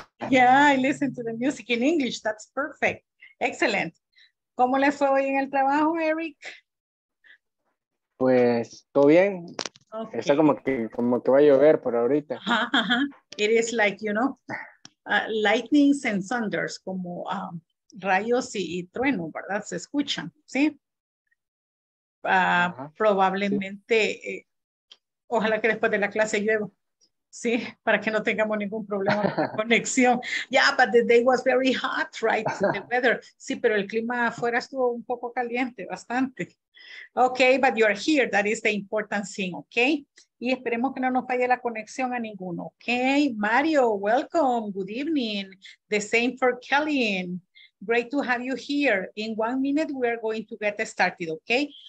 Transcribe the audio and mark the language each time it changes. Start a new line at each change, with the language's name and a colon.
English: Yeah, I listened to the music in English. That's perfect. Excellent.
Spanish: ¿Cómo le fue hoy en el trabajo, Eric? Pues, todo bien. Okay. Está como que va a llover por ahorita.
English: It is like, you know, lightnings and thunders,
Spanish: como rayos y trueno, ¿verdad? Se escuchan, ¿sí? Probablemente, sí. Ojalá que después de la clase llueva, ¿sí? Para que no tengamos ningún problema con la conexión.
English: Yeah, but the day was very hot, right? The weather.
Spanish: Sí, pero el clima afuera estuvo un poco caliente, bastante.
English: Okay, but you are here. That is the important thing, okay?
Spanish: Y esperemos que no nos falle la conexión a ninguno,
English: okay? Mario, welcome. Good evening. The same for Kelly. Great to have you here. In 1 minute, we are going to get started, okay?